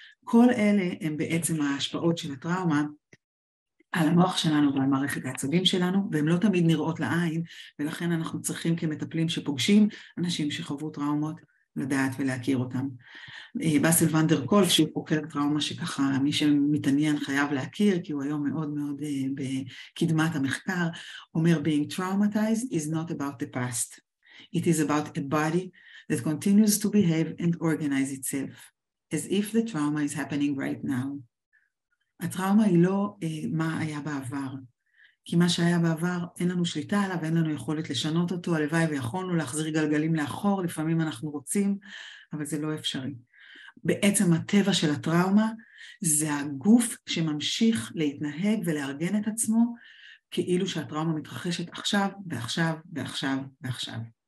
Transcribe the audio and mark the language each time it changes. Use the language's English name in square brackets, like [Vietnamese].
[Hebrew] כל אלה הם בעצם ההשפעות של הטראומה על המוח שלנו ועל מערכת העצבים שלנו, והם לא תמיד נראות לעין, ולכן אנחנו צריכים כמטפלים שפוגשים אנשים שחוו טראומות לדעת ולהכיר אותם. באסל ונדר קולף, שהוא חוקר טראומה שככה מי שמתעניין חייב להכיר, כי הוא היום מאוד מאוד בקדמת המחקר, אומר, [English] being traumatized is not about the past. It is about a body that continues to behave and organize itself, as if the trauma is happening right now. [Hebrew] הטראומה היא לא מה היה בעבר, כי מה שהיה בעבר אין לנו שליטה עליו ואין לנו יכולת לשנות אותו, הלוואי ויכולנו להחזיר גלגלים לאחור, לפעמים אנחנו רוצים, אבל זה לא אפשרי. בעצם הטבע של הטראומה זה הגוף שממשיך להתנהג ולארגן את עצמו, כאילו שהטראומה מתרחשת עכשיו ועכשיו ועכשיו ועכשיו.